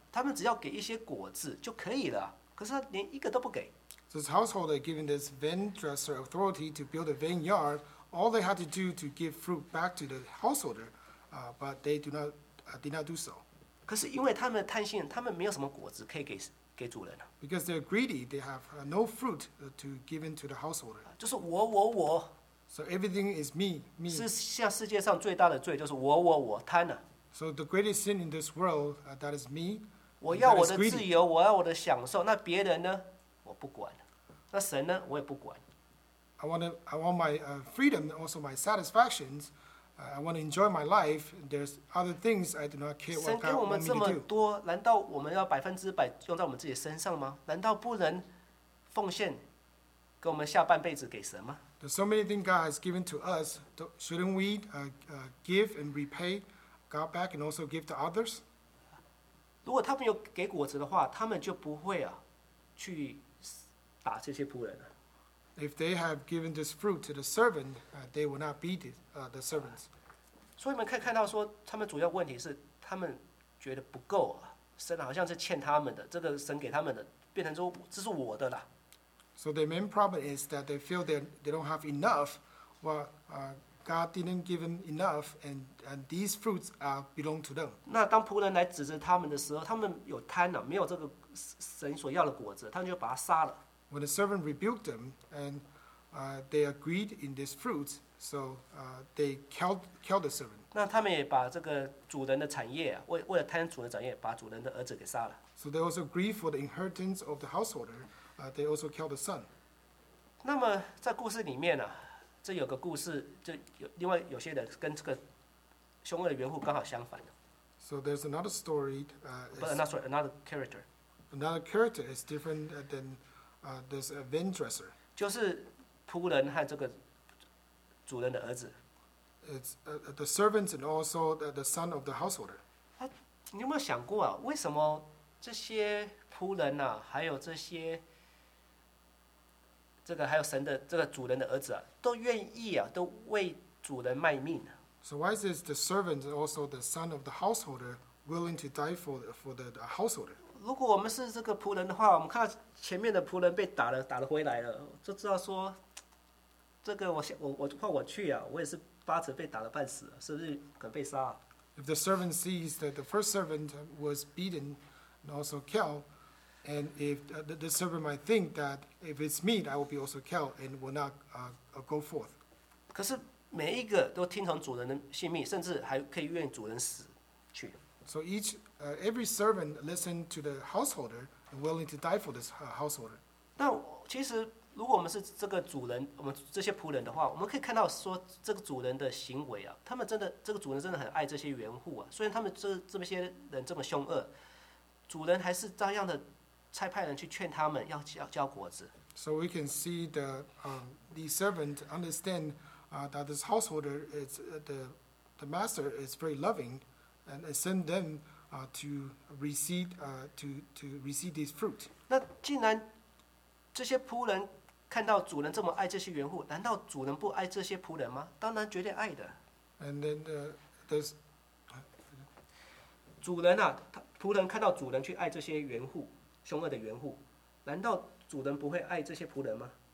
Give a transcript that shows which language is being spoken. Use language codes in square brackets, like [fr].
[zh] 他们只要给一些果子就可以了，可是他连一个都不给。 [en] This householder giving this vine dresser authority to build a vineyard, all they had to do to give fruit back to the householder, but they did not do so. [zh] 可是因为他们贪心，他们没有什么果子可以给主人。 [en] Because they're greedy, they have no fruit to give into the householder. [zh] 就是我我我。 [en] So everything is me, me. [zh] 是像世界上最大的罪就是我我我贪了。 [en] So the greatest sin in this world, that is me. [zh] 我要我的自由，我要我的享受，那别人呢？我不管，那神呢？我也不管。 [en] I want my freedom, also my satisfactions. I want to enjoy my life. There's other things I do not care what God wants me to do. [zh] 神给我们这么多，难道我们要百分之百用在我们自己身上吗？难道不能奉献给我们下半辈子给神吗？ [en] There's so many things God has given to us. Shouldn't we give and repay God back and also give to others? [zh] 如果他们有给果子的话，他们就不会啊。去打这些仆人了。 [en] If they have given this fruit to the servant, they will not beat it, the servants. [zh] 所以你们可以看到说，他们主要问题是他们觉得不够啊，神好像是欠他们的，这个神给他们的，变成说这是我的啦。 [en] So the main problem is that they feel that they don't have enough, well, God didn't give them enough, and these fruits belong to them. [zh] 那当仆人来指责他们的时候，他们有贪了，没有这个。神所要的果子，他们就把他杀了。 [en] When the servant rebuked them, and they agreed in this fruit, so they killed the servant. [zh] 那他们也把这个主人的产业，为了贪主人的产业，把主人的儿子给杀了。 [en] So they also grieved for the inheritance of the householder. They also killed the son. [zh] 那么在故事里面呢、啊，这有个故事，就有另外有些人跟这个凶恶的原户刚好相反的。 [en] So there's another story. Another character. Another character is different than this vine dresser. [zh] 就是仆人和这个主人的儿子。 [en] It's the servants and also the son of the householder. [zh] 你有没有想过啊？为什么这些仆人呐、啊，还有这些这个还有神的这个主人的儿子啊，都愿意啊，都为主人卖命呢、啊、 [en] ？So why is this the servant and also the son of the householder willing to die for the householder? [zh] 如果我们是这个仆人的话，我们看到前面的仆人被打了，打了回来了，就知道说，这个我换我去啊，我也是八成被打了半死了，是不是可能被杀、啊、 [en] ？If the servant sees that the first servant was beaten and also killed, and if the servant might think that if it's me, I will be also killed and will not go forth. [zh] 可是每一个都听从主人的性命，甚至还可以愿主人死去。 [en] So each, every servant listened to the householder and willing to die for this householder. [zh] 那其实如果我们是这个主人，我们这些仆人的话，我们可以看到说这个主人的行为啊，他们真的这个主人真的很爱这些原户啊。虽然他们这些人这么凶恶，主人还是照样的差派人去劝他们要果子。 [en] So we can see the servant understand that this householder is the master is very loving. And send them to receive this fruit. [zh] 那既然这些仆人看到主人这么爱这些园户，难道主人不爱这些仆人吗？当然绝对爱的。 [en] And then there's [zh] 主人啊，他仆人看到主人去爱这些原户，凶恶的原户，难道主人不会爱这些仆人吗？